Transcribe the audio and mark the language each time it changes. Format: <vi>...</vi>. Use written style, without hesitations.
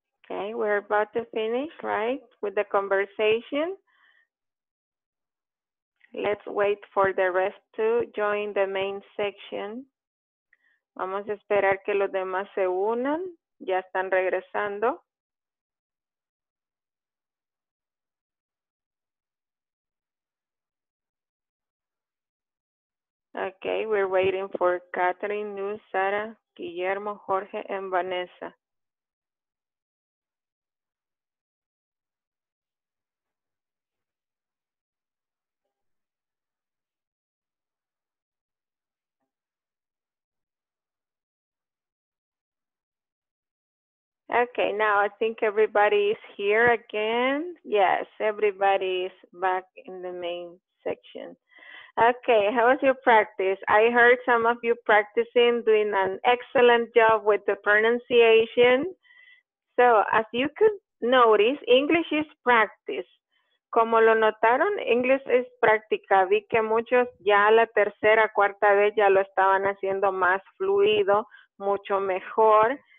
<en>Okay, we're about to finish, right, with the conversation. Let's wait for the rest to join the main section.</en> <es>Vamos a esperar que los demás se unan. Ya están regresando.</es> <en>Okay, we're waiting for Catherine, Luz, Sara, Guillermo, Jorge, and Vanessa. Okay, now I think everybody is here again. Yes, everybody is back in the main section. Okay, how was your practice? I heard some of you practicing, doing an excellent job with the pronunciation. So as you could notice, English is practice.</en> <es>Como lo notaron, English is práctica. Vi que muchos ya la tercera, cuarta vez ya lo estaban haciendo más fluido, mucho mejor.</es>